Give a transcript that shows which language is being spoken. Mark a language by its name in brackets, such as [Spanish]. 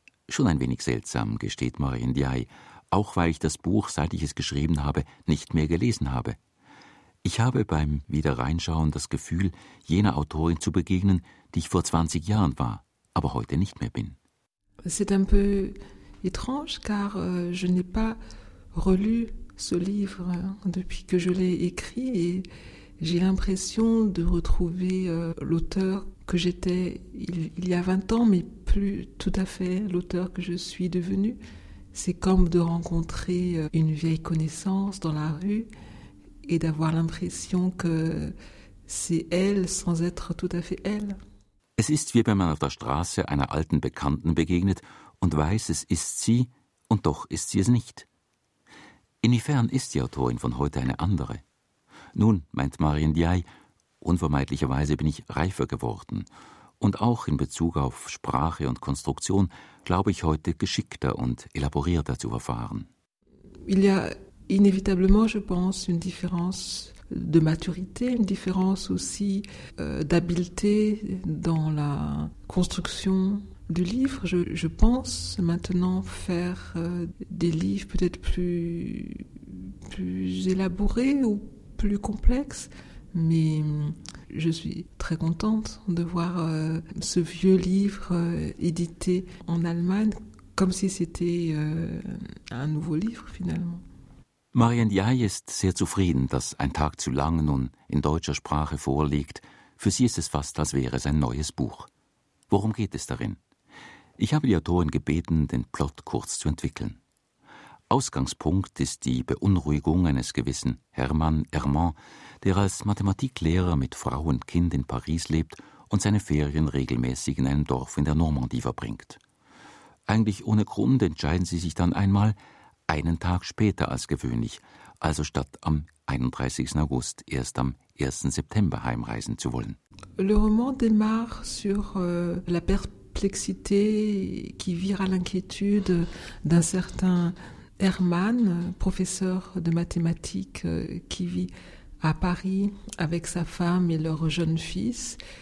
[German] Schon ein wenig seltsam, gesteht Marie Ndiaye, auch weil ich das Buch, seit ich es geschrieben habe, nicht mehr gelesen habe. Ich habe beim Wiederreinschauen das Gefühl, jener Autorin zu begegnen, die ich vor 20 Jahren war, aber heute nicht mehr bin. [French] C'est un peu étrange, car je n'ai pas relu ce livre depuis que je l'ai écrit et j'ai l'impression de retrouver l'auteur que j'étais il y a 20 ans, mais plus tout à fait l'auteur que je suis devenu. C'est comme de rencontrer une vieille connaissance dans la rue et d'avoir l'impression que c'est elle sans être tout à fait elle. [German] Es ist wie wenn man auf der Straße einer alten Bekannten begegnet und weiß, es ist sie und doch ist sie es nicht. Inwiefern ist die Autorin von heute eine andere? Nun, meint Marie Ndiaye, unvermeidlicherweise bin ich reifer geworden. Und auch in Bezug auf Sprache und Konstruktion glaube ich heute geschickter und elaborierter zu verfahren. [French] Il y a inévitablement, je pense, une différence de maturité, une différence aussi d'habileté dans la construction du livre. Je pense maintenant faire des livres peut-être plus élaborés ou plus complexes, mais je suis très contente de voir ce vieux livre édité en Allemagne comme si c'était un nouveau livre finalement. [German] Marie Ndiaye ist sehr zufrieden, dass Ein Tag zu lang nun in deutscher Sprache vorliegt. Für sie ist es fast, als wäre es ein neues Buch. Worum geht es darin? Ich habe die Autorin gebeten, den Plot kurz zu entwickeln. Ausgangspunkt ist die Beunruhigung eines gewissen Hermann Hermann, der als Mathematiklehrer mit Frau und Kind in Paris lebt und seine Ferien regelmäßig in einem Dorf in der Normandie verbringt. Eigentlich ohne Grund entscheiden sie sich dann einmal, einen Tag später als gewöhnlich, also statt am 31. August, erst am 1. September heimreisen zu wollen. [French] Le roman démarre sur la perplexité qui vire à l'inquiétude d'un certain Hermann, professeur de mathématiques qui vit à Paris avec sa femme et leur jeune fils.